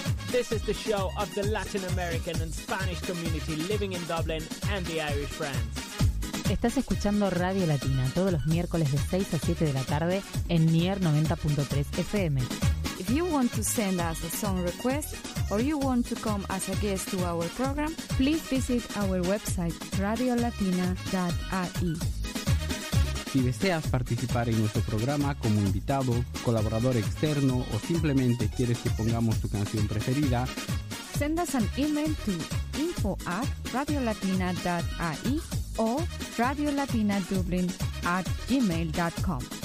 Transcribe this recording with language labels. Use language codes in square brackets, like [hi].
[en] This is the show of the Latin American and Spanish community living in Dublin and the Irish France. [es] Estás escuchando Radio Latina todos los miércoles de 6 a 7 de la tarde en Nier 90.3 FM. [en] If you want to send us a song request or you want to come as a guest to our program, please visit our website radiolatina.ie. [es] Si deseas participar en nuestro programa como invitado, colaborador externo o simplemente quieres que pongamos tu canción preferida, [en] send us an email to info@radiolatina.ie o radiolatinadublin@gmail.com.